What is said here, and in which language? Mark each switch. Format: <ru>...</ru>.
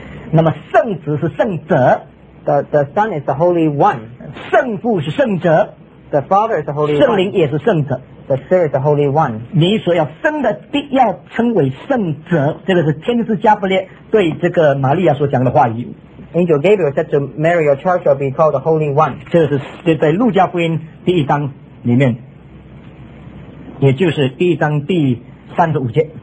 <zh>那么圣子是圣者。</zh> <en>The Son is the Holy One.</en> <zh>圣父是圣者。</zh> <en>The Father is the Holy One.</en> <zh>圣灵也是圣者。</zh> <en>The Spirit is the Holy One.</en> <zh>你所要生的必要称为圣者。这个是天使加布列对这个玛利亚所讲的话语。</zh> <en>Angel Gabriel said to Mary, "Your child shall be called the Holy One."</en> <zh>这是在路加福音第一章里面，也就是第一章第35节。</zh>